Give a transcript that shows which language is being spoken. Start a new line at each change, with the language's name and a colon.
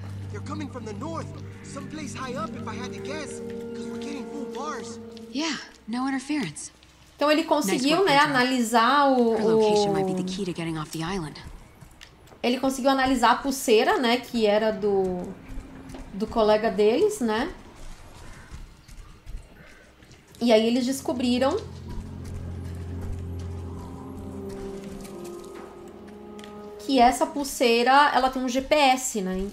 English: They're coming from the north, someplace high up, if I had to guess, because we're getting full bars. Yeah, no interference.
Portuguese: Então ele conseguiu,
English: nice work,
Portuguese: né, analisar o
English: Her location might be the key to getting off the island.
Portuguese: Ele conseguiu analisar a pulseira, né, que era do colega deles, né? E aí eles descobriram que essa pulseira, ela tem um GPS, né?